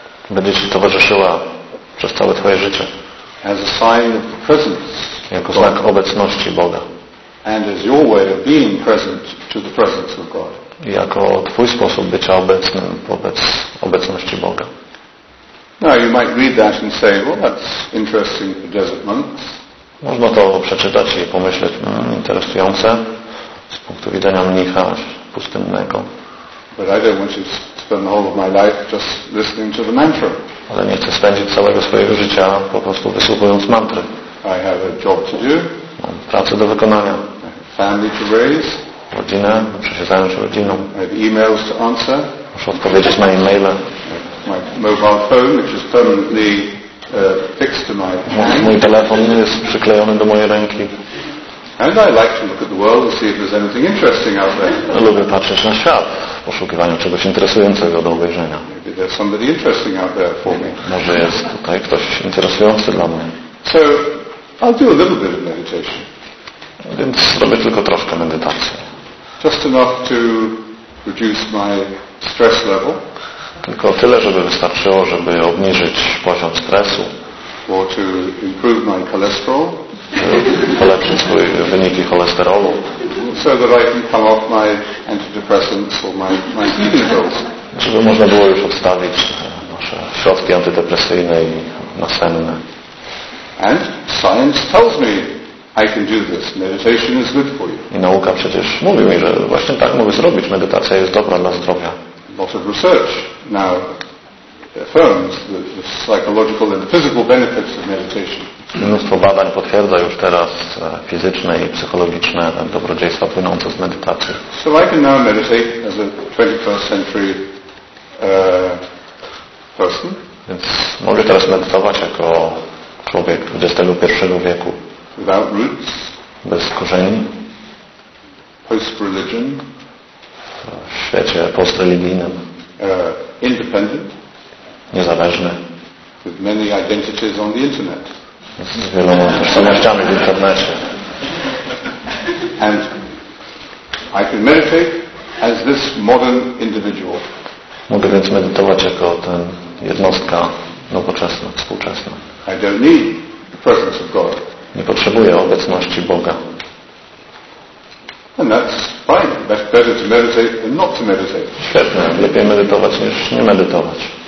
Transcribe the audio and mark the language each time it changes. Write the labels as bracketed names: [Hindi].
[Polish] Będzie ci towarzyszyła przez całe twoje życie. [English] As a sign of the presence. [Polish] Jako znak obecności Boga. [English] And as your way of being present to the presence of God. [Polish] I jako twój sposób bycia obecnym wobec obecności Boga. [English] Now you might read that and say, well, that's interesting for desert monks. [Polish] Można to przeczytać i pomyśleć, interesujące z punktu widzenia mnicha pustynnego. [English] But I don't want you to spend the whole of my life just listening to the mantra. [Polish] ale nie chcę spędzić całego swojego życia po prostu wysłuchując mantry. [English] I have a job to do. [Polish] Mam pracę do wykonania. [English] Family to raise. [Polish] Rodzinę, muszę się zająć rodziną. [English] I have emails to answer. [Polish] Muszę odpowiedzieć na e-maile. [English] My mobile phone, which is permanently fixed to my hand. [Polish] Mój telefon jest przyklejony do mojej ręki. [English] And I like to look at the world to see if there's anything interesting out there. [Polish] Lubię patrzeć na świat w poszukiwaniu czegoś interesującego do obejrzenia. [English] Maybe there's somebody interesting out there for me. [Polish] Może jest tutaj ktoś interesujący dla mnie. [English] So I'll do a little bit of meditation. [Polish] Więc robię tylko troszkę medytacji. [English] Just enough to reduce my stress level. [Polish] Tylko tyle, żeby wystarczyło, żeby obniżyć poziom stresu. [English] Or to improve my cholesterol. [Polish] Polepszyć swoje wyniki cholesterolu. [English] So that I can come off my antidepressants or my sleeping pills. [Polish] Żeby można było już odstawić nasze środki antydepresyjne i nasenne. [English] And science tells me I can do this. Meditation is good for you. [Polish] I nauka przecież mówi mi, że właśnie tak mogę zrobić. Medytacja jest dobra dla zdrowia. [English] Lot of research now affirms the psychological and physical benefits of meditation. [Polish] Mnóstwo badań potwierdza już teraz fizyczne i psychologiczne dobrodziejstwa płynące z medytacji. [English] So I can now meditate as a 21st century person. [Polish] Więc mogę teraz medytować jako człowiek XXI wieku. [English] Without roots. [Polish] Bez korzeni. [English] Post-religion. [Polish] W świecie postreligijnym. [English] Independent. [Polish] Niezależny. [English] With many identities on the internet. [Polish] Z wieloma tożsamościami w internecie. [English] And I can meditate as this modern individual. [Polish] Mogę więc medytować jako ten jednostka nowoczesna, współczesna. [English] I don't need the presence of God. [Polish] Nie potrzebuję obecności Boga. [English] And that's fine. That's better to meditate than not to meditate. [Polish] Świetnie. Lepiej medytować niż nie medytować.